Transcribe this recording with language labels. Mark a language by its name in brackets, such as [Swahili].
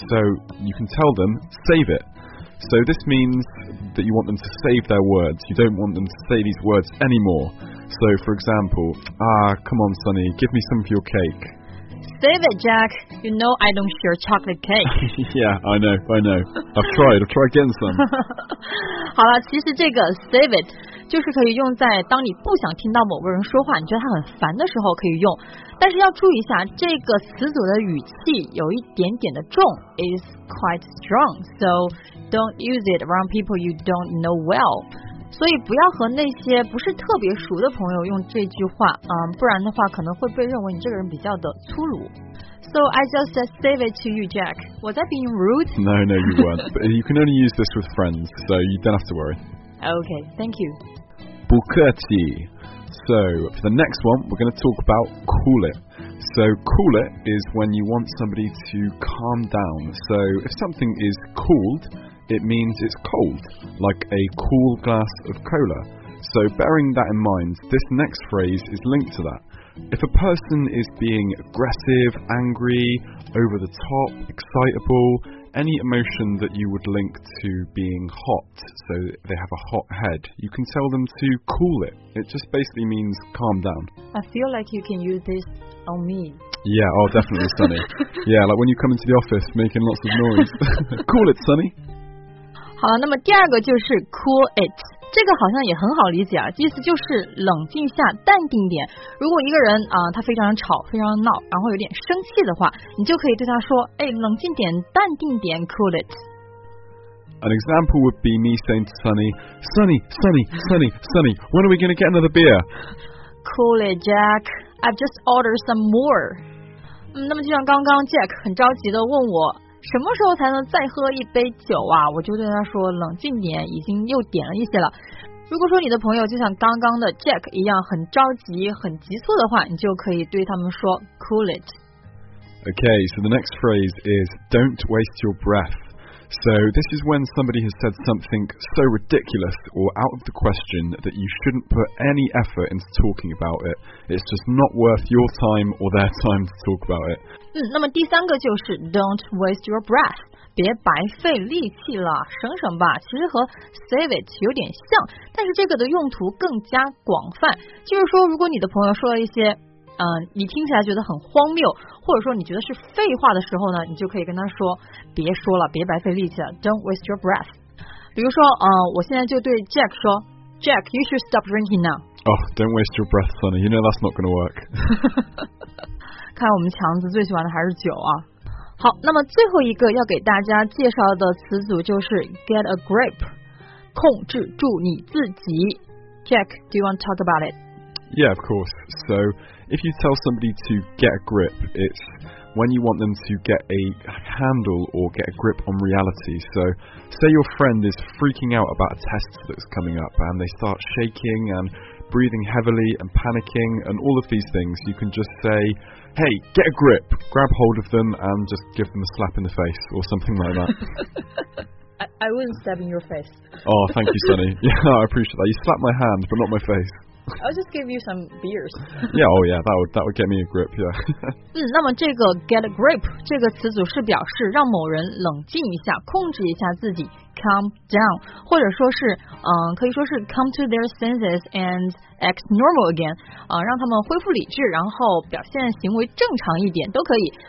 [English] So you can tell them, save it. So this means that you want them to save their words. You don't want them to say these words anymore. So for example, ah, come on, Sonny, give me some of your cake. Save it, Jack. You know I don't share chocolate cake. Yeah, I know, I know. I've tried getting some. [Chinese] 好了，其实这个 save it 就是可以用在当你不想听到某个人说话，你觉得他很烦的时候可以用。但是要注意一下，这个词组的语气有一点点的重， [English] is quite strong. So don't use it around people you don't know well. [Chinese] 所以不要和那些不是特别熟的朋友用这句话，不然的话可能会被认为你这个人比较的粗鲁。 [English] So I just said save it to you, Jack. Was I being rude? No, you weren't. But you can only use this with friends, so you don't have to worry. Okay, thank you. [Chinese] 不客气。 [English] So for the next one, we're going to talk about cool it. So cool it is when you want somebody to calm down. So if something is cooled,It means it's cold, like a cool glass of cola. So bearing that in mind, this next phrase is linked to that. If a person is being aggressive, angry, over the top, excitable, any emotion that you would link to being hot, so they have a hot head, you can tell them to cool it. It just basically means calm down. I feel like you can use this on me. Yeah, oh, definitely, Sunny. Yeah, like when you come into the office making lots of noise. Cool it, Sunny. [Chinese] 好了，那么第二个就是 cool it. 这个好像也很好理解啊，意思就是冷静下，淡定点。如果一个人他非常吵，非常闹，然后有点生气的话，你就可以对他说，哎，冷静点，淡定点， cool it. [English] An example would be me saying to Sunny, Sunny, Sunny, Sunny, Sunny, when are we going to get another beer? Cool it, Jack. I've just ordered some more. [Chinese] 那么就像刚刚 Jack 很着急地问我，什么时候才能再喝一杯酒啊？我就对他说，冷静点，已经又点了一些了。如果说你的朋友就像刚刚的 Jack 一样很着急、很急促的话，你就可以对他们说 cool it. [English] Okay, so the next phrase is don't waste your breath. So this is when somebody has said something so ridiculous or out of the question that you shouldn't put any effort into talking about it. It's just not worth your time or their time to talk about it. [Chinese] 那么第三个就是 don't waste your breath. 别白费力气了，省省吧。其实和 save it 有点像，但是这个的用途更加广泛。就是说如果你的朋友说了一些你听起来觉得很荒谬，或者说你觉得是废话的时候呢，你就可以跟他说，别说了，别白费力气了， Don't waste your breath。比如说我现在就对 Jack 说， [English] Jack, you should stop drinking now. Oh, don't waste your breath, Sonny. You know that's not gonna work. [Chinese] 看我们强子最喜欢的还是酒啊。好，那么最后一个要给大家介绍的词组就是 get a grip， 控制住你自己。 [English] Jack, do you want to talk about it? Yeah, of course. So if you tell somebody to get a grip, it's when you want them to get a handle or get a grip on reality. So say your friend is freaking out about a test that's coming up and they start shaking and breathing heavily and panicking and all of these things, you can just sayHey, get a grip. Grab hold of them and just give them a slap in the face or something like that. I wouldn't stab in your face. Oh, thank you, Sonny. Yeah, I appreciate that. You slapped my hand, but not my face. I'll just give you some beers. Yeah, oh yeah, that would get me a grip, yeah. [Chinese] 那么这个 get a grip 这个词组是表示让某人冷静一下，控制一下自己， [English] calm down, [Chinese] 或者说是可以说是 [English] come to their senses and act normal again, [Chinese] 让他们恢复理智，然后表现行为正常一点都可以。